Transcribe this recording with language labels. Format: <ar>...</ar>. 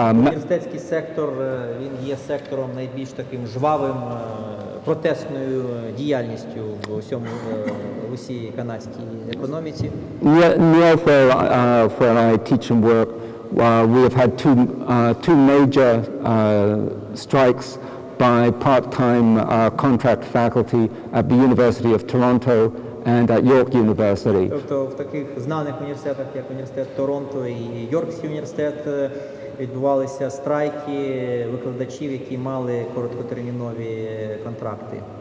<uk>Університетський сектор, він є сектором найбільш таким жвавим протестною діяльністю в усьому в усій канадській економіці.</uk> <en>Where I teach and work, we have had two major strikes by part-time contract faculty at the University of Toronto and at York University.</en> <uk>Тобто в таких знаних університетах, як університет Торонто і Йоркський університет, відбувалися страйки викладачів, які мали короткотермінові контракти.</uk>